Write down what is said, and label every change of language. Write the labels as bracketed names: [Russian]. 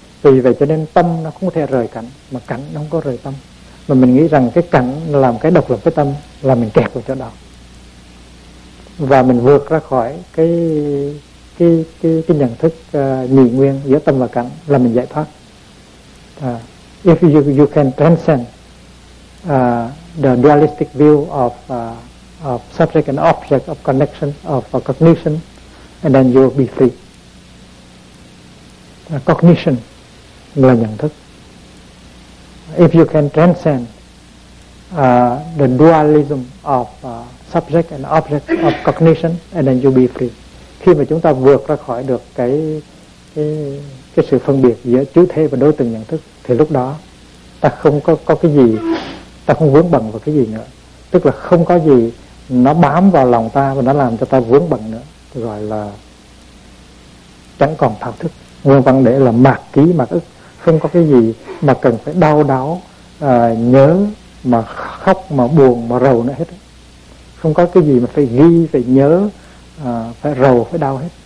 [Vietnamese] Vì vậy cho nên tâm nó không thể rời cảnh, mà cảnh nó không có rời tâm. Mà mình nghĩ rằng cái cảnh làm cái độc lập với tâm là mình kẹt vào chỗ đó, và mình vượt ra khỏi cái nhận thức nhị nguyên giữa tâm và cảnh là mình giải thoát. [English] If you can transcend the dualistic view of subject and object, of connection, of cognition, and then you will be free. [Vietnamese] Cognition là nhận thức. [English] If you can transcend the dualism of subject and object of cognition, and then you'll be free. [Vietnamese] Khi mà chúng ta vượt ra khỏi được cái sự phân biệt giữa chú thế và đối tượng nhận thức, thì lúc đó ta không có cái gì, ta không vướng bận vào cái gì nữa. Tức là không có gì nó bám vào lòng ta và nó làm cho ta vướng bận nữa. Tôi gọi là chẳng còn tham thức. Nguyên văn để là mạc ký mạc ức, không có cái gì mà cần phải đau đáu nhớ mà khóc mà buồn mà rầu nữa hết, không có cái gì mà phải ghi phải nhớ phải rầu phải đau hết.